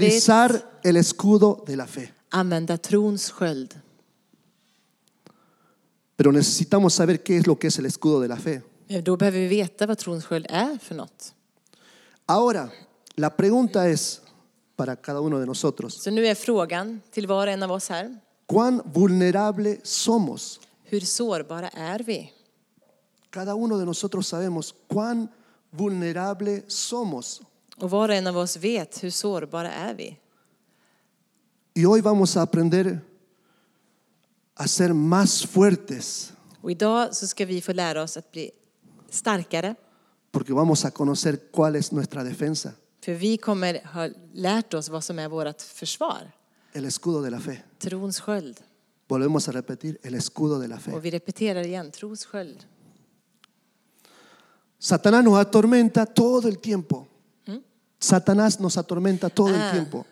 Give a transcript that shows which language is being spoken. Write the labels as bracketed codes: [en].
[es] utilizar el escudo de la fe. [sv] Använda trons sköld. [es] Pero necesitamos saber qué es lo que es el escudo de la fe. [sv] Då behöver vi veta vad trons sköld är för något. [es] Ahora, la pregunta es para cada uno de nosotros. [sv] Så nu är frågan till var en av oss här. [es] ¿Cuán vulnerable somos? [sv] Hur sårbara är vi? [es] Cada uno de nosotros sabemos cuán vulnerable somos. [sv] Och var och en av oss vet hur sårbara är vi. [es] Y hoy vamos a aprender a ser más fuertes. [sv] Och idag så ska vi få lära oss att bli starkare. [es] Porque vamos a conocer cuál es nuestra defensa. [sv] För vi kommer ha lärt oss vad som är vårt försvar. [es] El escudo de la fe. [sv] Trons sköld. [es] Volvemos a repetir el escudo de la fe. [sv] Och vi repeterar igen trons sköld. [es] Satanás nos atormenta todo el tiempo. Satanás nos atormenta todo el tiempo.